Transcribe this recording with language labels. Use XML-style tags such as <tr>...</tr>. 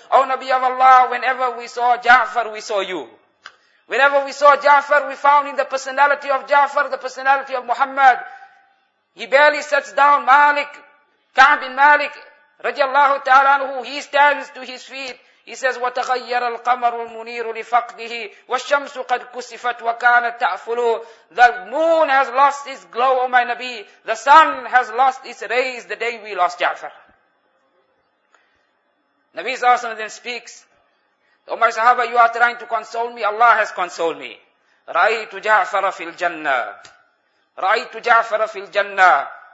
<en>O Nabi of Allah, whenever we saw Ja'far, we saw you. Whenever we saw Ja'far, we found in the personality of Ja'far the personality of Muhammad. He barely sits down. Malik, Ka'b bin Malik, radiallahu ta'ala anhu, he stands to his feet. He says,</en> <ar>وَتَغَيَّرَ الْقَمَرُ الْمُنِيرُ لِفَقْدِهِ وَالشَّمْسُ قَدْ كُسِفَتْ وَكَانَتْ تَأْفُلُ.</ar> <en>The moon has lost its glow, O my Nabi. The sun has lost its rays the day we lost Ja'far. Nabi Sassam then speaks, O my Sahaba, you are trying to console me. Allah has consoled me.</en> <ar>رَأَيْتُ جَعْفَرَ فِي الْجَنَّةِ رَأَيْتُ جَعْفَرَ فِي الْجَنَّةِ.</ar>